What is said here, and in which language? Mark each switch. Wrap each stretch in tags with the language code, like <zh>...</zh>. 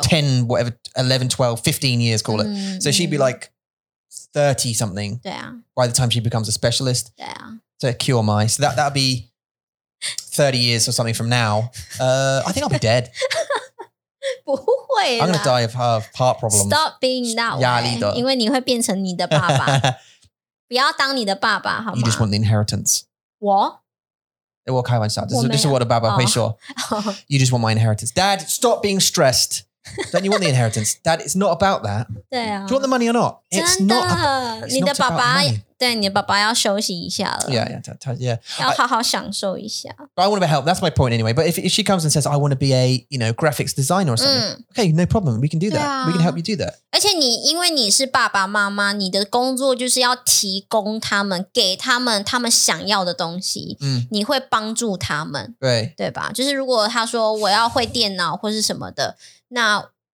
<en>10, whatever, 11, 12, 15 years, call it. So she'd be like... 30 something. Yeah. By the time she becomes a specialist. Yeah. To cure my. So that'd be 30 years or something from now, I think I'll be dead.</en> <zh>不会啦,</zh> <en>I'm going to die of heart problems. Stop being that way.</en> <zh>因为你会变成你的爸爸。不要当你的爸爸, 好吗?</zh> <en>You just want the inheritance.</en> <zh>我? 我开玩笑,</zh> <en>this is what a</en> <zh>爸爸会说.</zh> <en>You just want my inheritance. Dad, stop being stressed. Don't you want the inheritance? Dad, it's not about that.</en> <zh>对啊,</zh> <en>do you want the money or not? It's</en> <zh>真的,</zh> <en>not, it's not about money.</en> <zh>对,你的爸爸要休息一下了。</zh> <en>Yeah, yeah, yeah.</en> <zh>要好好享受一下。</zh> <en>But I want to be helped. That's my point anyway. But if she comes and says, I want to be a, you know, graphics designer or something, okay, no problem. We can do that. We can help you do that.</en> <zh>而且你,因为你是爸爸妈妈, 你的工作就是要提供他们, 给他们他们想要的东西, 你会帮助他们, 对吧? 就是如果他说我要会电脑 或是什么的, 那...</zh>